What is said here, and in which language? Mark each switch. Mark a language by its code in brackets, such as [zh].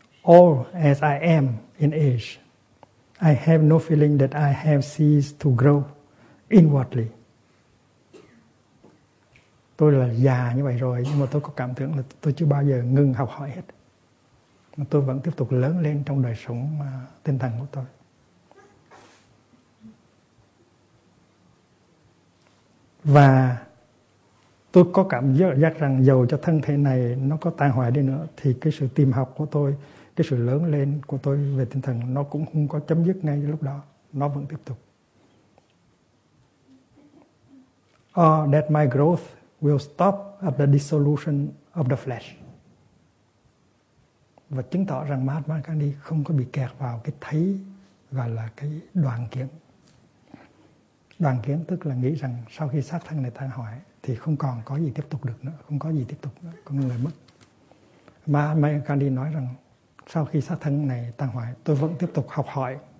[en] Old as I am in age, I have no feeling that I have ceased to grow inwardly. [vi] Tôi là già như vậy rồi, nhưng mà tôi có cảm tưởng là tôi chưa bao giờ ngừng học hỏi hết. Mà tôi vẫn tiếp tục lớn lên trong đời sống tinh thần của tôi. Và tôi có cảm giác rằng dầu cho thân thể này nó có tàn hoại đi nữa, thì cái sự tìm học của tôi, cái sự lớn lên của tôi về tinh thần, nó cũng không có chấm dứt ngay lúc đó. Nó vẫn tiếp tục. [en] Or that my growth will stop at the dissolution of the flesh. [vi] Và chứng tỏ rằng Mahatma Gandhi không có bị kẹt vào cái thấy, gọi là cái đoạn kiến. Đoạn kiến tức là nghĩ rằng sau khi xác thân này tan hoại thì không còn có gì tiếp tục được nữa, không có gì tiếp tục nữa, con người mất. Mahatma Gandhi nói rằng sau khi xác thân này tan hoại, tôi vẫn tiếp tục học hỏi.